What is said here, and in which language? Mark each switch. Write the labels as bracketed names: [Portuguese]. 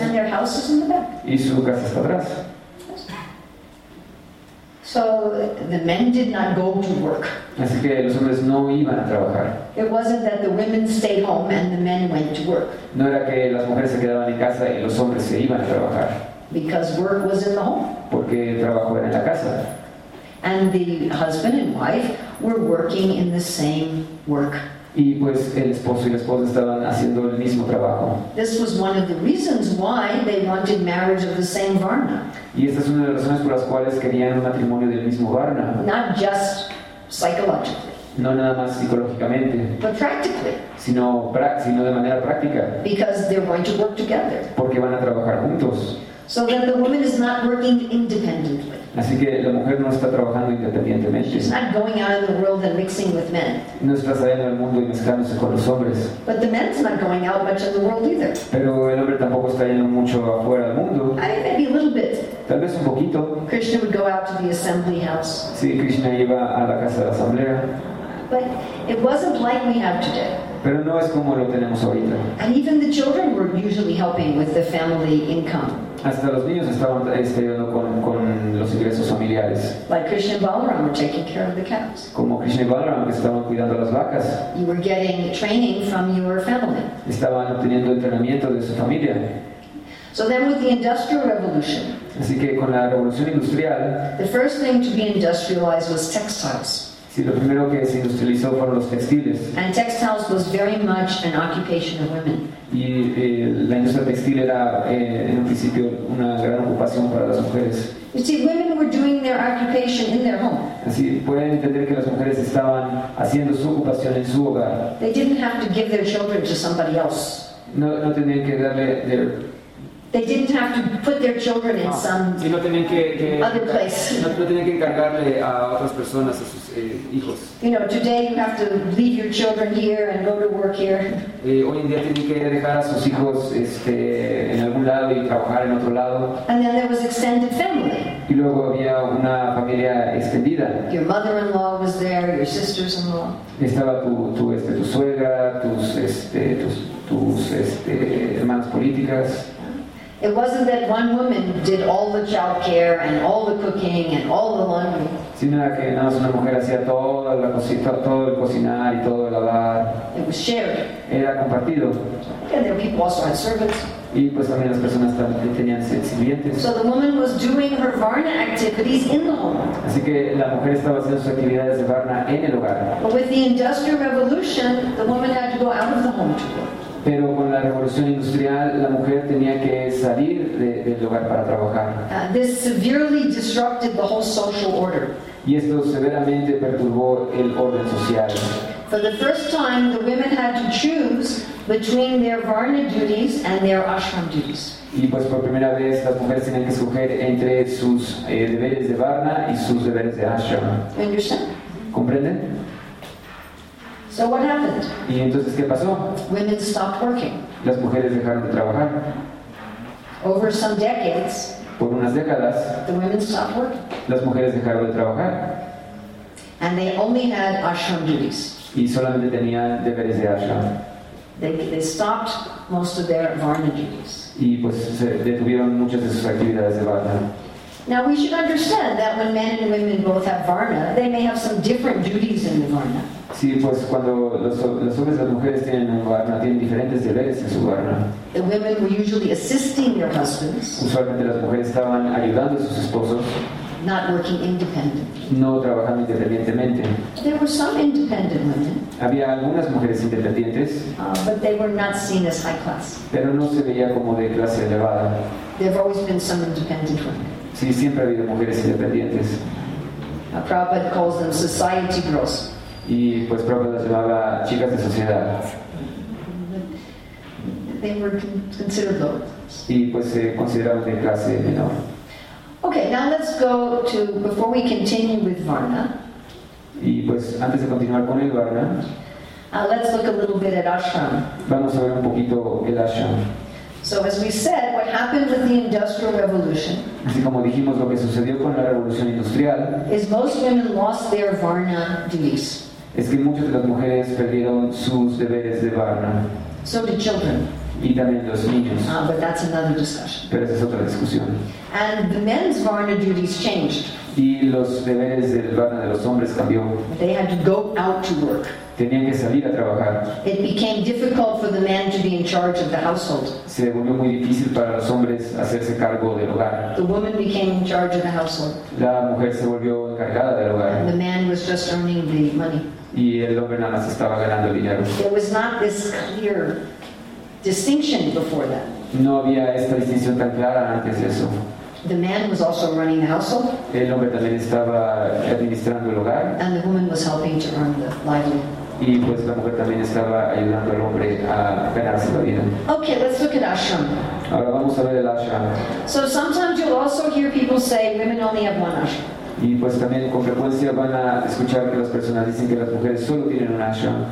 [English] And their house is in the back. [Spanish] Y su casa está atrás. [English] So the men did not go to work. [Spanish] Así que los hombres no iban a trabajar. [English] It wasn't that the women stayed home and the men went to work. [Spanish] No era que las mujeres se quedaban en casa y los hombres se iban a trabajar. [English] Because work was in the home. [Spanish] Porque el trabajo era en la casa. [English] And the husband and wife were working in the same work. [Spanish] Y pues el esposo y la esposa estaban haciendo el mismo trabajo. [English] This was one of the reasons why they wanted marriage of the same varna. [Spanish] Y esta es una de las razones por las cuales querían un matrimonio del mismo varna. [English] Not just psychologically. [Spanish] No nada más psicológicamente. [English] But practically. [Spanish] Sino de manera práctica. [English] Because they're going to work together. [Spanish] Porque van a trabajar juntos. [English] So that the woman is not working independently. [Spanish] Así que la mujer no está trabajando independientemente. [English] She's not going out in the world and mixing with men. [Spanish] No está saliendo al mundo y mezclándose con los hombres. [English] But the man's not going out much in the world either. [Spanish] Pero el hombre tampoco está yendo mucho afuera al mundo. [English] I mean, maybe a little bit. [Spanish] Tal vez un poquito. [English] Krishna would go out to the assembly house. [Spanish] Sí, Krishna iba a la casa de la asamblea. [English] But it wasn't like we have today. [Spanish] Pero no es como lo tenemos ahorita. [English] And even the children were usually helping with the family income. [Spanish] Hasta los niños estaban ayudando con los ingresos familiares. [English] Like Krishna and Balaram were taking care of the cows. [Spanish] Como Krishna y Balaram que estaban cuidando las vacas. [English] You were getting training from your family. [Spanish] Estaban obteniendo entrenamiento de su familia. [English] So then with the Industrial Revolution. [Spanish] Así que con la Revolución Industrial. [English] The first thing to be industrialized was textiles. [Spanish] Sí, lo primero que se industrializó fueron los textiles. [English] And textiles was very much an occupation of women. [Spanish] Y la industria textil era en un principio una gran ocupación para las mujeres. [English] You see, women were doing their occupation in their home. [Spanish] Así pueden entender que las mujeres estaban haciendo su ocupación en su hogar. [English] They didn't have to give their children to somebody else. [Spanish] No tenían que darle [English] their... They didn't have to put their children in some other place. [Spanish] No tenían que encargarle a otras personas a sus hijos. [English] You know, today you have to leave your children here and go to work here. [Spanish] Hoy en día tienen que dejar a sus hijos en algún lado y trabajar en otro lado. [English] And then there was extended family. [Spanish] Y luego había una familia extendida. [English] Your mother-in-law was there, your sisters-in-law. [Spanish] Estaba tu suegra, tus hermanas políticas. [English] It wasn't that one woman did all the child care and all the cooking and all the laundry. [Spanish] Sino que nada más una mujer hacía toda la cosita, todo el cocinar y todo el lavar. [English] It was shared. [Spanish] Era compartido. [English] And there were people also had servants. [Spanish] Y pues también las personas también tenían sirvientes. [English] So the woman was doing her varna activities in the home. [Spanish] Así que la mujer estaba haciendo sus actividades de varna en el hogar. [English] But with the Industrial Revolution, the woman had to go out of the home to work. [Spanish] Pero con la revolución industrial, la mujer tenía que salir del lugar para trabajar. [English] This severely disrupted the whole social order. [Spanish] Y esto severamente perturbó el orden social. [English] For the first time, the women had to choose between their varna duties and their ashram duties. [Spanish] Y pues por primera vez las mujeres tenían que escoger entre sus deberes de varna y sus deberes de ashram. [English] Understand? [Spanish] ¿Comprenden? [English] So what happened? [Spanish] ¿Y entonces qué pasó? [English] Women stopped working. [Spanish] Las mujeres dejaron de trabajar. [English] Over some decades, [Spanish] por unas décadas, [English] the women stopped working. [Spanish] Las mujeres dejaron de trabajar. [English] And they only had ashram duties. [Spanish] Y solamente tenían deberes de ashram. [English] They stopped most of their varna duties. [Spanish] Y pues se detuvieron muchas de sus actividades de varna. [English] Now we should understand that when men and women both have varna, they may have some different duties in the varna. [Spanish] Sí, pues cuando los hombres y las mujeres tienen un varna, tienen diferentes deberes en su varna. [English] The women were usually assisting their husbands. [Spanish] Usualmente las mujeres estaban ayudando a sus esposos. [English] Not working independently. [Spanish] No trabajando independientemente. [English] There were some independent women. [Spanish] Había algunas mujeres independientes. [English] But they were not seen as high class. [Spanish] Pero no se veía como de clase elevada. [English] There have always been some independent women. [Spanish] Sí, siempre ha habido mujeres independientes. [English] Prabhupada calls them society girls. [Spanish] Y pues Prabhupada las llamaba chicas de sociedad. [English] They were considered low. [Spanish] Y pues se consideraban de clase menor. [English] Okay, now let's go to, before we continue with varna. [Spanish] Y pues antes de continuar con el varna. [English] Let's look a little bit at ashram. [Spanish] Vamos a ver un poquito el ashram. [English] So as we said, what happened with the Industrial Revolution? [Spanish] Así como dijimos, lo que sucedió con la revolución industrial. [English] Is most women lost their varna duties. [Spanish] Es que muchas de las mujeres perdieron sus deberes de varna. [English] So did children. [Spanish] Y también los niños. [English] But that's another discussion. [Spanish] Pero esa es otra discusión. [English] And the men's varna duties changed. [Spanish] Y los deberes del varna de los hombres cambió. [English] They had to go out to work. [Spanish] Tenían que salir a trabajar. [English] It became difficult for the man to be in charge of the household. [Spanish] Se volvió muy difícil para los hombres hacerse cargo del hogar. [English] The woman became in charge of the household. [Spanish] La mujer se volvió encargada del hogar. [English] And the man was just earning the money. [Spanish] Y el hombre nada más estaba ganando el dinero. [English] There was not this clear distinction before that. [Spanish] No había esta distinción tan clara antes de eso. [English] The man was also running the household. [Spanish] El hombre también estaba administrando el hogar. [English] And the woman was helping to earn the livelihood. [Spanish] Y pues la mujer también estaba ayudando al hombre a ganarse la vida. [English] Okay, let's look at ashram. [Spanish] Ahora vamos a ver el ashrama. [English] So sometimes you'll also hear people say women only have one ashrama. [Spanish] Y pues también con frecuencia van a escuchar que las personas dicen que las mujeres solo tienen un ashram.